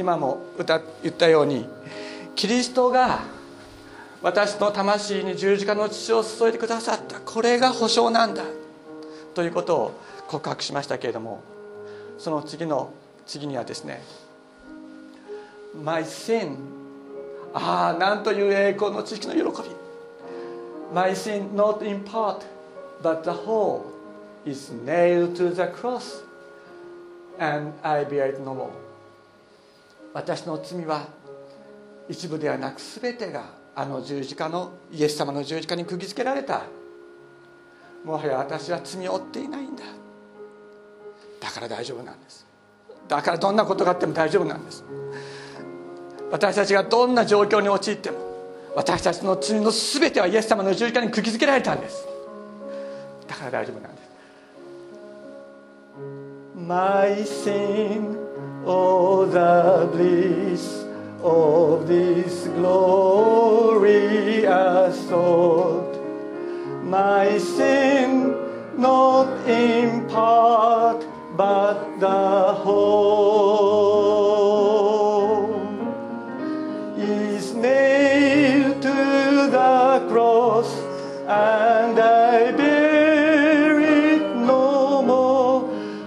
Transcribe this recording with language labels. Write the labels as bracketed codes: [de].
[ja] 今も言ったように、キリストが私の魂に十字架の血を注いでくださった、これが保証なんだということを告白しましたけれども、その次にはですね、 [en] My sin [ja] ああなんという栄光の知識の喜び。 [en] My sin not in part but the whole is nailed to the cross and I bear it no more。 [ja] 私の罪は一部ではなく全てがあの十字架のイエス様の十字架に釘付けられた。もはや私は罪を負っていないんだ。だから大丈夫なんです。だからどんなことがあっても大丈夫なんです。私たちがどんな状況に陥っても私たちの罪の全てはイエス様の十字架に釘付けられたんです。だから大丈夫なんです。 [en] My sin all the blissOf this glorious thought, my sin not in part, but the whole is nailed to the cross, and I bear it no more.